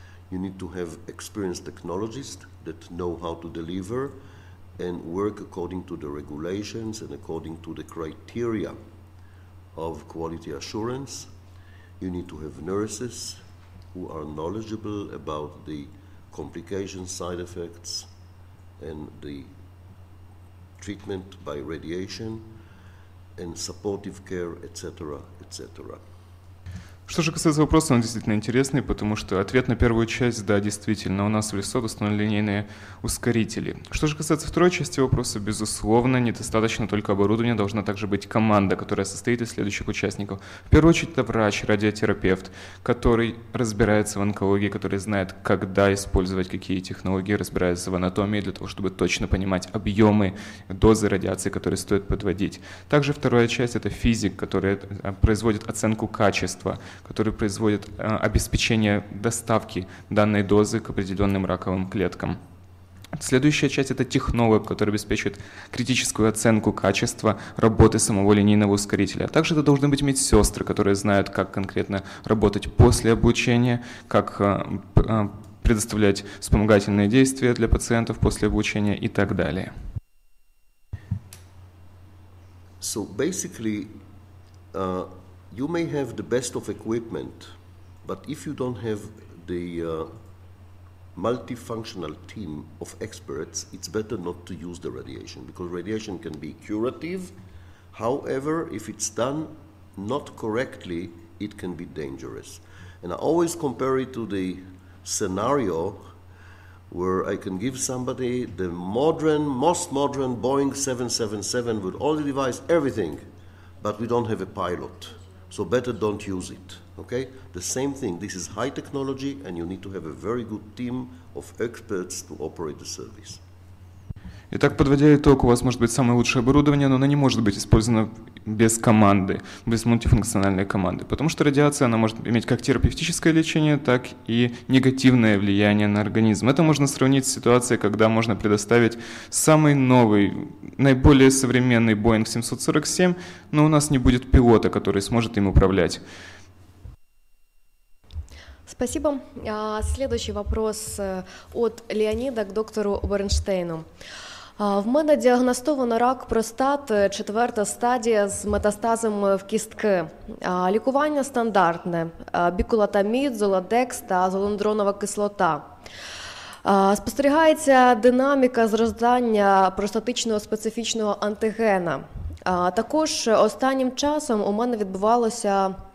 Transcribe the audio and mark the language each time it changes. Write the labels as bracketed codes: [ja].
[en] You need to have experienced technologists that know how to deliver and work according to the regulations and according to the criteria of quality assurance. You need to have nurses who are knowledgeable about the complications, side effects, and the treatment by radiation, and supportive care, etc., etc. [ru] Что же касается вопроса, он действительно интересный, потому что ответ на первую часть – да, действительно, у нас в Лесот установлены линейные ускорители. Что же касается второй части вопроса, безусловно, недостаточно только оборудования, должна также быть команда, которая состоит из следующих участников. В первую очередь это врач, радиотерапевт, который разбирается в онкологии, который знает, когда использовать какие технологии, разбирается в анатомии для того, чтобы точно понимать объемы, дозы радиации, которые стоит подводить. Также вторая часть – это физик, который производит оценку качества, который производит обеспечение доставки данной дозы к определенным раковым клеткам. Следующая часть – это технолог, который обеспечивает критическую оценку качества работы самого линейного ускорителя. Также это должны быть медсестры, которые знают, как конкретно работать после обучения, как предоставлять вспомогательные действия для пациентов после обучения и так далее. [en] So basically, you may have the best of equipment, but if you don't have the multifunctional team of experts, it's better not to use the radiation, because radiation can be curative. However, if it's done not correctly, it can be dangerous. And I always compare it to the scenario where I can give somebody the modern, most modern Boeing 777 with all the device, everything, but we don't have a pilot. So better don't use it, okay? The same thing, this is high technology and you need to have a very good team of experts to operate the service. [ru] Итак, подводя итог, у вас может быть самое лучшее оборудование, но оно не может быть использовано без команды, без мультифункциональной команды, потому что радиация, она может иметь как терапевтическое лечение, так и негативное влияние на организм. Это можно сравнить с ситуацией, когда можно предоставить самый новый, наиболее современный Boeing 747, но у нас не будет пилота, который сможет им управлять. Спасибо. Следующий вопрос от Леонида к доктору Бернштейну. [uk] В мене діагностовано рак простати, четверта стадія з метастазом в кістки. Лікування стандартне – бікулотамід, золодекс та золондронова кислота. Спостерігається динаміка зростання простатичного специфічного антигена. Також останнім часом у мене відбувалося